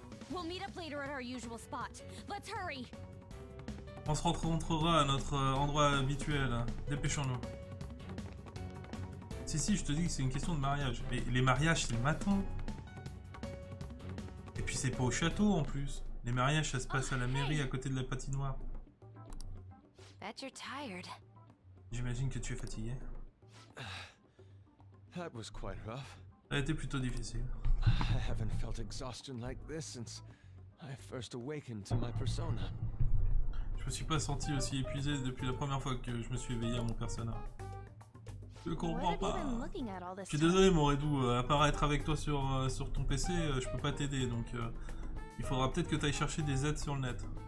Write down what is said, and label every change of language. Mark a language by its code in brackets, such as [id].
[en] We'll meet up later at our usual spot. Let's hurry. [fr] On se rencontrera à notre endroit habituel. Dépêchons-nous. Si, si, je te dis que c'est une question de mariage. Mais les mariages, c'est le matin. Et puis c'est pas au château en plus. Les mariages, ça se passe à la mairie à côté de la patinoire. [en] Bet you're tired. [fr] J'imagine que tu es fatigué. [en] That was quite rough. [fr] Ça a été plutôt difficile. [en] I haven't felt exhaustion like this since I first awakened to my persona. [fr] Je me suis pas senti aussi épuisé depuis la première fois que je me suis éveillé à mon persona. Je comprends pas. Je suis désolé, mon Redou, à part être avec toi sur ton PC, je peux pas t'aider, donc il faudra peut-être que t'ailles chercher des aides sur le net.